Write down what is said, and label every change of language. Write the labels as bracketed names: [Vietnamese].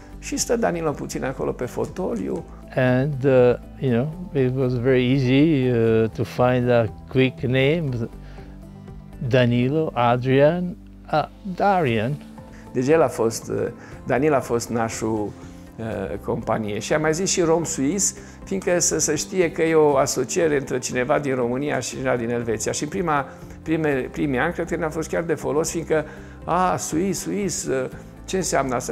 [Romanian] Și stă Danilo puțin acolo pe fotoliu. [English] And, you know, it was very easy to find a quick name. Danilo, Adrian, Darian. [Romanian] Deci el a fost, Daniel a fost nașul companie. Și am mai zis și Rom-Suis, fiindcă să se știe că e o asociere între cineva din România și cineva din Elveția. Și primii ani, cred că ne-a fost chiar de folos, fiindcă, Suis, ce înseamnă asta?